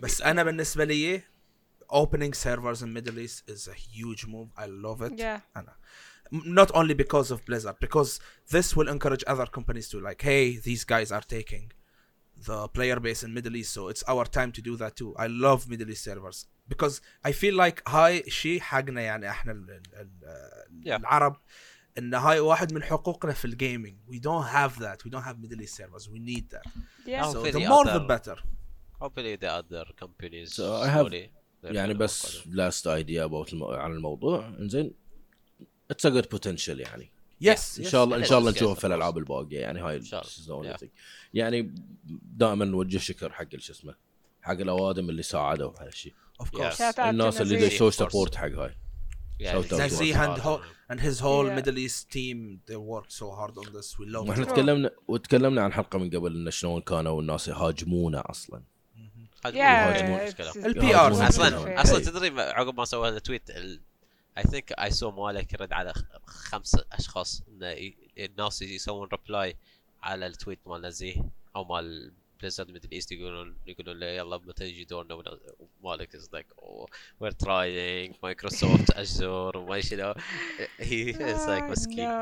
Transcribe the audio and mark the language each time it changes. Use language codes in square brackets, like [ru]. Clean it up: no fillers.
[ar] بس أنا بالنسبة لي... [en] Opening servers in Middle East is a huge move. I love it. Yeah. Anna. Not only because of Blizzard, because this will encourage other companies to like, hey, these guys are taking the player base in Middle East, so it's our time to do that too. I love Middle East servers because I feel like [ar] هاي شيء حقنا يعني احنا العرب ان هاي واحد من حقوقنا في الجيمينج. [en] We don't have that. We don't have Middle East servers. We need that. Yeah. So the more the better. Hopefully the other companies. So I have. يعني بس last idea about [ar] عن الموضوع إنزين [en] it's a good potential يعني yes [ar] إن شاء الله نشوفه في الألعاب الباقية يعني هاي يعني دائما نوجه شكر حق الشي اسمه حق الأوادم اللي ساعدوا على هالشي [en] of course [ar] الناس اللي [en] they show support [ar] حق هاي [en] Nazi and his whole Middle East team they worked so hard on this we love [ar] إحنا تكلمنا عن حلقة من قبل إن شلون كانوا الناس يهاجمونا أصلاً [en] Yeah, [ar] البي ار اصلا تدري عقب ما سوى التويت [en] I think I so [ar] مالك رد على 5 اشخاص الناس يسوون ريبلاي على التويت مال نزيه او مال بليزرد ميدل ايست يقولون له يلا متى يجي دورنا مالك [en] is like we're trying [ar] مايكروسوفت ازور وما شي [en] هي is like [ar] مسكين